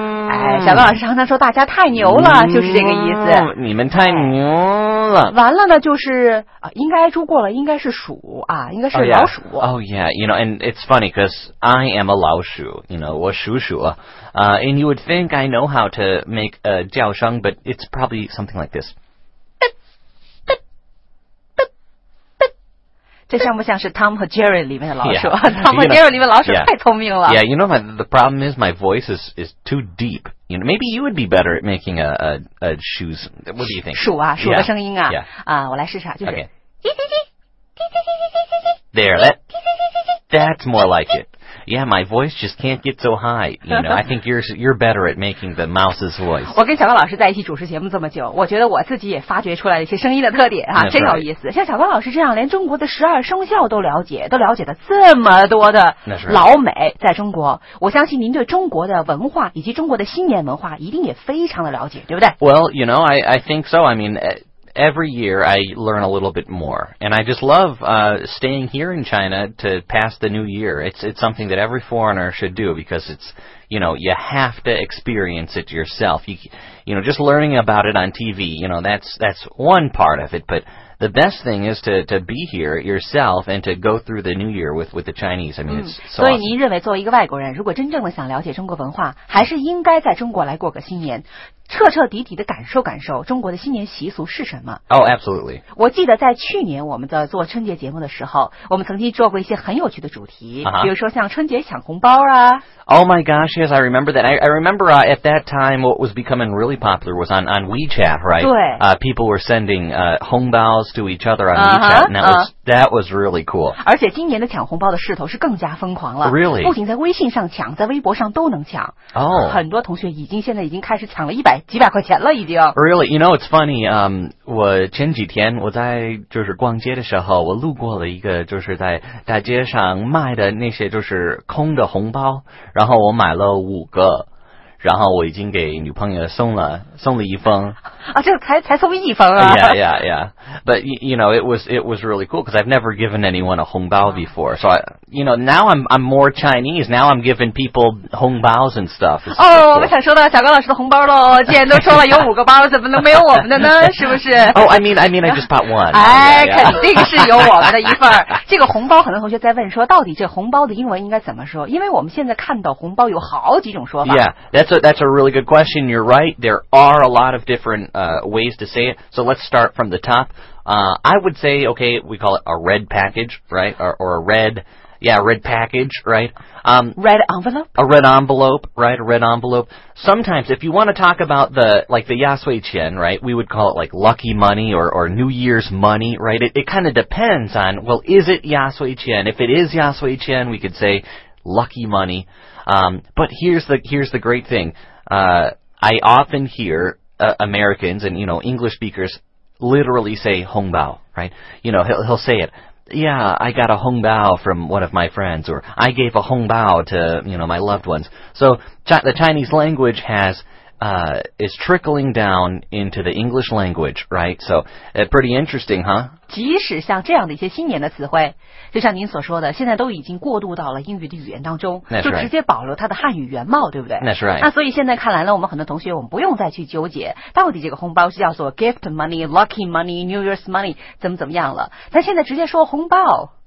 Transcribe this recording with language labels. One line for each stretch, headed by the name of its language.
Chinese: 哎，小高老师常常说大家太牛了、就是这个意思。你们太牛了。完了呢就是、应该猪过了应该是鼠啊，应该是老鼠。
English: Oh yeah. Oh yeah, you know, and it's funny because I am a 老鼠, you know,
Chinese: 我鼠鼠。
English: And you would think I know how to make a 叫声, but it's probably something like this.
Chinese: 这像不像是 Tom 和 Jerry 里面的老鼠
English: yeah,
Chinese: Tom 和 Jerry 里面的老鼠
English: yeah,
Chinese: 太聪明了
English: Yeah, you know my, the problem is my voice is too deep you know, Maybe you would be better at making a shoes What do you think?
Chinese: 鼠啊鼠的声音啊
English: yeah, yeah.
Chinese: 我来试试啊就是、
English: okay. There that's more like itYeah, my voice just can't get so high. You know, I think you're better at making the mouse's voice.
Chinese: 我跟小高老师在一起主持节目这么久，我觉得我自己也发掘出来了一些声音的特点哈，真有意思。像小高老师这样连中国的十二生肖都了解，都了解的这么多的老美在中国，我相信您对中国的文化以及中国的新年文化一定也非常的了解，对不对
English: ？Well, you know, I think so. I mean. Every year I learn a little bit more and I just love staying here in China to pass the new year it's something that every foreigner should do because it's you know you have to experience it yourself you know just learning about it on TV you know that's one part of it but the best thing is to be here yourself and to go through the new year with the Chinese I mean it's so
Chinese: 所以您认为作为一个外国人如果真正的想了解中国文化还是应该在中国来过个新年彻彻底底的感受感受中国的新年习俗是什么
English: Oh, absolutely.
Chinese: 我记得在去年我们在做春节节目的时候我们曾经做过一些很有趣的主题、
English: uh-huh.
Chinese: 比如说像春节抢红包啊
English: Oh my gosh, yes, I remember that. I remember、at that time what was becoming really popular was on WeChat, right?
Chinese: 对、
English: People were sending 红包 to each other on WeChat, and that was really cool.
Chinese: 而且今年的抢红包的势头是更加疯狂了
English: Really?
Chinese: 不仅在微信上抢在微博上都能抢
English: Oh.
Chinese: 很多同学已经现在已经开始抢了100块钱了已经
English: Really? You know, it's funny,
Chinese: 我前几天我在就是逛街的时候我路过了一个就是在大街上卖的那些就是空的红包然后我买了5个然后我已经给女朋友送了一封啊这才送一封啊
English: Yeah, yeah, yeah. But, you know, it was really cool because I've never given anyone a 红包 before. So, you know, now I'm more Chinese. Now I'm giving people 红包 and stuff.
Chinese: 哦我想收到小高老师的红包咯既然都说了有5个包怎么能没有我们的呢是不是
English: Oh, I mean, I just bought one.
Chinese: 哎
English: yeah, yeah.
Chinese: 肯定是有我们的一份这个红包很多同学在问说到底这红包的英文应该怎么说因为我们现在看到红包有好几种说法
English: Yeah, that's a really good question. You're right. There are a lot of different ways to say it. So let's start from the top. I would say, okay, we call it a red package, right? Or a red, yeah, red package, right? Red envelope? A red envelope, right? A red envelope. Sometimes if you want to talk about the, like the Yasui Qian, right? We would call it like lucky money or New Year's money, right? It kind of depends on, well, is it Yasui Qian? If it is Yasui Qian, we could say lucky money. But here's the great thing. I often hear Americans and, you know, English speakers literally say 红包 right? You know, he'll say it. Yeah, I got a 红包 from one of my friends or I gave a 红包 to, you know, my loved ones. So the Chinese language is trickling down into the English language, right? So, pretty interesting, huh?
Chinese: 即使像这样的一些新年的词汇，就像您所说的，现在都已经过渡到了英语的语言当中，就直接保留它的汉语原貌，对不对
English: ？That's right.
Chinese: 那所以现在看来呢，我们很多同学，我们不用再去纠结到底这个红包是叫做
English: gift money, lucky money, New Year's money
Chinese: 怎么怎么样了，咱现在直接说红包。